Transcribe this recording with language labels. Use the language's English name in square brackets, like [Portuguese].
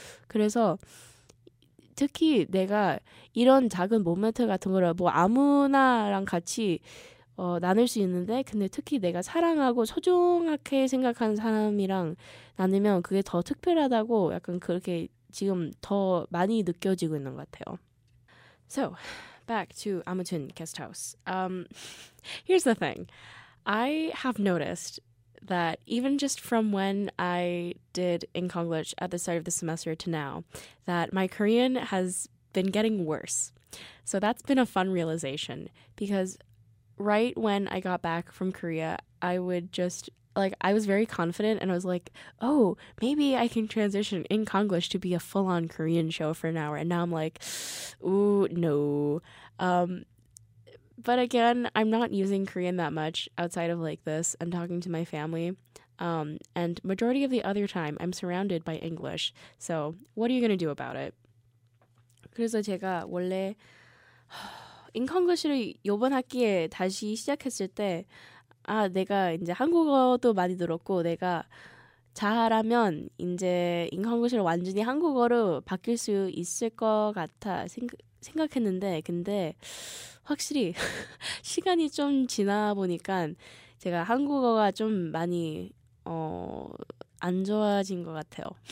[Korean] 그래서 특히 내가 이런 작은 모멘트 같은 거를 뭐 아무나랑 같이 나눌 수 있는데 근데 특히 내가 사랑하고 소중하게 생각하는 사람이랑 나누면 그게 더 특별하다고 약간 그렇게 지금 더 많이 느껴지고 있는 것 같아요. [English] So, back to 아무튼 guest house. Here's the thing. I have noticed that even just from when I did Inkonglish at the start of the semester to now, that my Korean has been getting worse. So that's been a fun realization because right when I got back from Korea, I would just, like, I was very confident and I was like, oh, maybe I can transition Inkonglish to be a full-on Korean show for an hour. And now I'm like, ooh, no. But again, I'm not using Korean that much outside of like this and talking to my family. And majority of the other time, I'm surrounded by English. So what are you going to do about it? [Korean] 그래서 제가 원래 인컨글리시를 이번 학기에 다시 시작했을 때 아, 내가 이제 한국어도 많이 들었고 내가 잘하면 이제 인컨글리시를 완전히 한국어로 바뀔 수 있을 것 같아 생각했는데 근데 확실히 시간이 좀 지나 보니까 제가 한국어가 좀 많이 안 좋아진 것 같아요.